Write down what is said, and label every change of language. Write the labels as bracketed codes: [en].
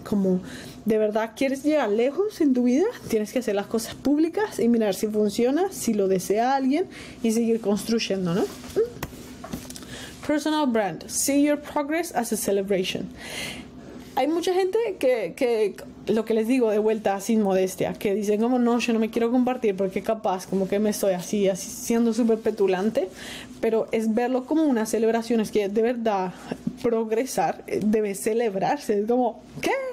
[es] Como de verdad quieres llegar lejos en tu vida, tienes que hacer las cosas públicas y mirar si funciona, si lo desea alguien y seguir construyendo, ¿no? [en] Personal brand, see your progress as a celebration. [es] Hay mucha gente que lo que les digo de vuelta sin modestia, que dicen como no, yo no me quiero compartir porque capaz como que me estoy así siendo súper petulante, pero es verlo como una celebración, es que de verdad progresar debe celebrarse, es como ¿qué?